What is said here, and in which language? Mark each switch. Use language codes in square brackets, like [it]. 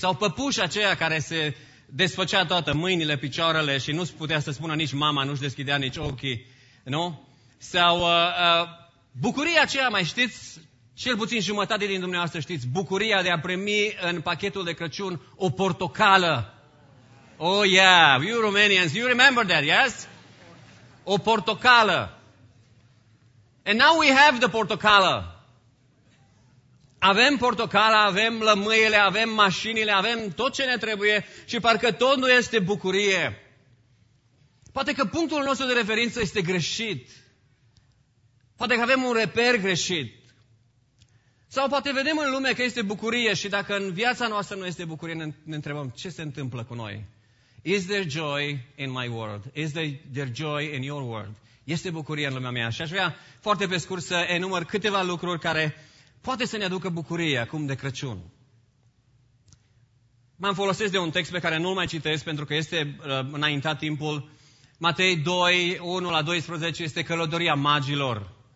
[ro] Sau păpușa aceea care se desfăcea toată, mâinile, picioarele și nu putea să spună nici mama, nu-și deschidea nici ochii, nu? Sau bucuria aceea, mai știți, cel puțin jumătate din dumneavoastră știți, bucuria de a primi în pachetul de Crăciun o portocală. [en] Oh, yeah, you Romanians, you remember that, yes? [ro] O portocală. [en] And now we have the portocală. [ro] Avem portocala, avem lămâiele, avem mașinile, avem tot ce ne trebuie și parcă tot nu este bucurie. Poate că punctul nostru de referință este greșit. Poate că avem un reper greșit. Sau poate vedem în lume că este bucurie și dacă în viața noastră nu este bucurie, ne întrebăm ce se întâmplă cu noi. [en] Is there joy in my world? Is there joy in your world? [ro] Este bucurie în lumea mea. Și aș vrea foarte pe scurt să enumăr câteva lucruri care poate să ne aducă bucurie acum de Crăciun. M-am folosit de un text pe care nu-l mai citesc pentru că este înaintat timpul. Matei 2, 1 la 12 este călătoria magilor.